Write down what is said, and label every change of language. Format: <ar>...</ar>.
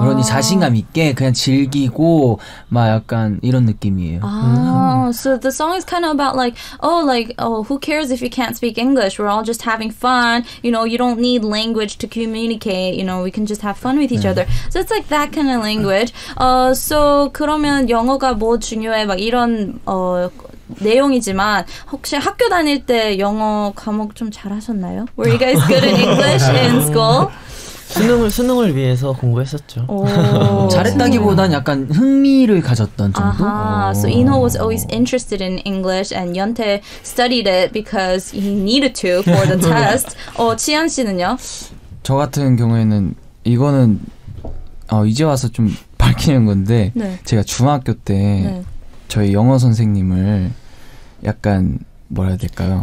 <ko>그러니 자신감 있게 그냥 즐기고 막 약간 이런 느낌이에요.</ko> <en>So the song is kind of about who cares if you can't speak English? We're all just having fun. You know, you don't need language to communicate. You know, we can just have fun with each</en> <ko>네.</ko> <en>other. So it's like that kind of language. So</en> <ko>그러면 영어가 뭐 중요해? 막 이런 내용이지만 혹시 학교 다닐 때 영어 과목 좀 잘하셨나요?</ko> <en>Were you guys good in English in school?</en> <ko>수능을 위해서 공부했었죠. 잘했다기보단 약간 흥미를 가졌던 정도.</ko> <en>So Inho was always interested in English and Yeonte studied it because he needed to for the test. 지안 씨는요? 저 같은 경우에는 이거는 이제 와서 좀 밝히는 건데 네. 제가 중학교 때 네. 저희 영어 선생님을 약간 뭐라 해야 될까요?</en>